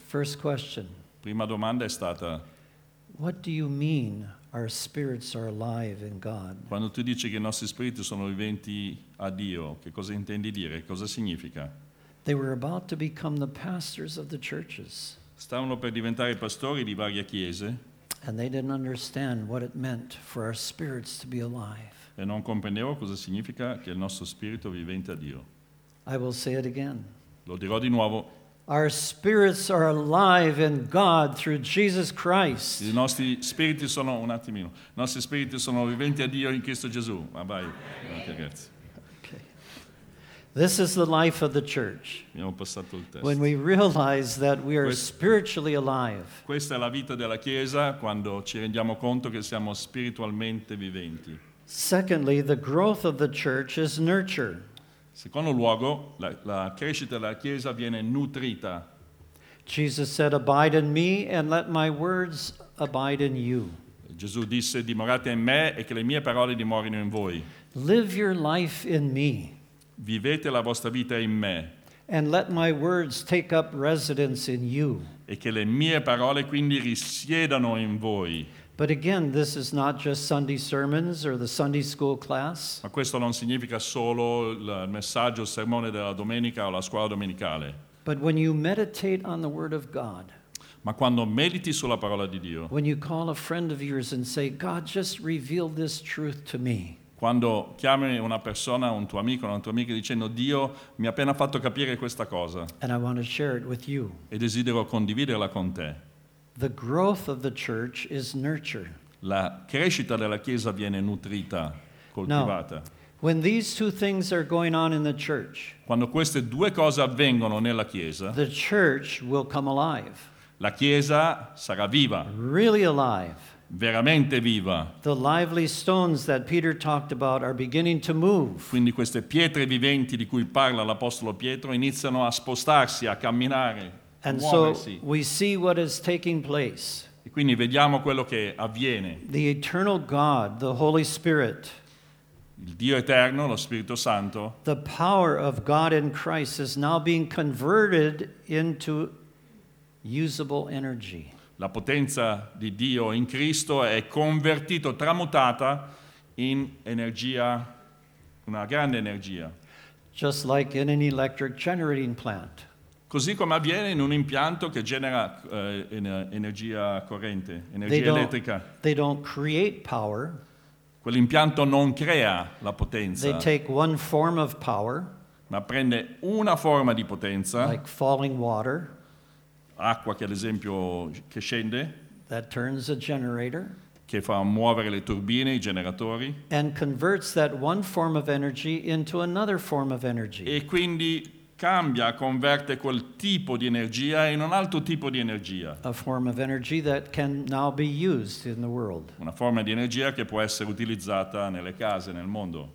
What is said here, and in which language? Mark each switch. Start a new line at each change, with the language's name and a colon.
English: First question.
Italian: Prima domanda è stata:
English: what do you mean? Our spirits are alive in God.
Italian: Quando tu dici che i nostri spiriti sono viventi a Dio, che cosa intendi dire? Cosa significa?
English: They were about to become the pastors of the churches.
Italian: Stavano per diventare pastori di varie chiese.
English: And they didn't understand what it meant for our spirits to be alive.
Italian: E non comprendevo cosa significa che il nostro spirito vivente a Dio.
English: I will say it again.
Italian: Lo dirò di nuovo.
English: Our spirits are alive in God through Jesus Christ.
Italian: I nostri spiriti sono un attimino. I nostri spiriti sono viventi a Dio in Cristo Gesù. Ma vai, grazie.
English: Okay. This is the life of the church.
Italian: Abbiamo passato il test.
English: When we realize that we are spiritually alive.
Italian: Questa è la vita della Chiesa quando ci rendiamo conto che siamo spiritualmente viventi.
English: Secondly, the growth of the church is nurture.
Italian: Secondo luogo, la crescita della Chiesa viene nutrita.
English: Jesus said, "Abide in me and let my words abide in you."
Italian: Gesù disse, "Dimorate in me e che le mie parole dimorino in voi."
English: Live your life in me.
Italian: Vivete la vostra vita in me.
English: And let my words take up residence in you.
Italian: E che le mie parole quindi risiedano in voi.
English: But again, this is not just Sunday sermons or the Sunday school class.
Italian: Ma questo non significa solo il messaggio, il sermone della domenica o la scuola domenicale.
English: But when you meditate on the word of God.
Italian: Ma quando mediti sulla parola di Dio.
English: When you call a friend of yours and say, "God, just reveal this truth to me."
Italian: Quando chiami una persona, un tuo amico, una tua amica, dicendo: "Dio mi ha appena fatto capire questa cosa."
English: And I want to share it with you.
Italian: E desidero condividerla con te.
English: The growth of the church is nurture.
Italian: La crescita della chiesa viene nutrita, coltivata.
English: Now, when these two things are going on in the church,
Italian: quando queste due cose avvengono nella chiesa,
English: the church will come alive.
Italian: La chiesa sarà viva.
English: Really alive.
Italian: Veramente viva.
English: The lively stones that Peter talked about are beginning to move.
Italian: Quindi queste pietre viventi di cui parla l'apostolo Pietro iniziano a spostarsi, a camminare.
English: And
Italian: muoversi.
English: So we see what is taking place.
Italian: E quindi vediamo quello che avviene.
English: The eternal God, the Holy Spirit.
Italian: Il Dio eterno, lo Spirito Santo.
English: The power of God in Christ is now being converted into usable energy.
Italian: La potenza di Dio in Cristo è convertito, tramutata in energia, una grande energia.
English: Just like in an electric generating plant.
Italian: Così come avviene in un impianto che genera energia corrente, energia elettrica.
English: They don't create power.
Italian: Quell'impianto non crea la potenza.
English: They take one form of power.
Italian: Ma prende una forma di potenza.
English: Like falling water.
Italian: Acqua che ad esempio che scende,
English: that turns a generator,
Italian: che fa muovere le turbine, i generatori,
English: and converts that one form of energy into another form of energy.
Italian: E quindi cambia, converte quel tipo di energia in un altro tipo di energia.
English: A form of energy that can now be used in the world.
Italian: Una forma di energia che può essere utilizzata nelle case, nel mondo.